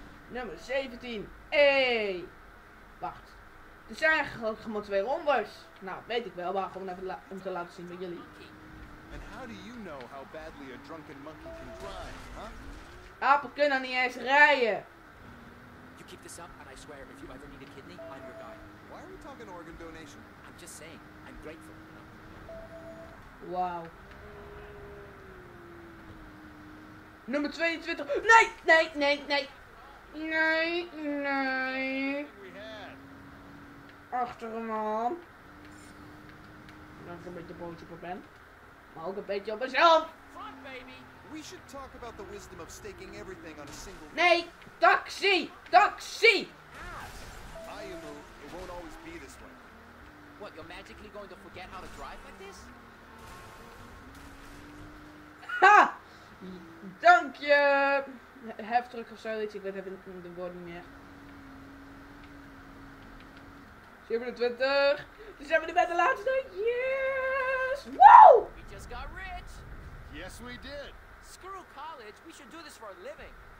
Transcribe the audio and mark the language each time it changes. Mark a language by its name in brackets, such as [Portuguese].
[Dutch] Nummer 17. Hey! Wacht. Er zijn gewoon twee rondes. Nou, weet ik wel, maar gewoon even om te laten zien bij jullie. En hoe weet je hoe [English] badly [Dutch] een [English] drunken monkey [Dutch] kan rijden, huh? Apen kunnen niet eens rijden. [English] You keep this up, and I swear, if you ever need a kidney, I'm your guy. Why are we talking organ donation? I'm just saying, I'm grateful. Wow. [Dutch] Nummer 22. Nee, nee, nee, nee. Nee, nee. Achter hem aan. Dat ik een beetje boos op hem ben. Maar ook een beetje op mezelf. [English] We should talk about the wisdom of staking everything on a single. [Dutch] Nee, [English] taxi! Taxi! I am it won't always be this way. What, you're magically going to forget how to drive like this? [Dutch] Ha! Dank je! Heftruck of zoiets, ik weet even de woorden niet meer. 27! Dus zijn we nu bij de laatste! [English] Yes! Wow! We just got rich! Yes, we did! Screw college, we should do this for a living.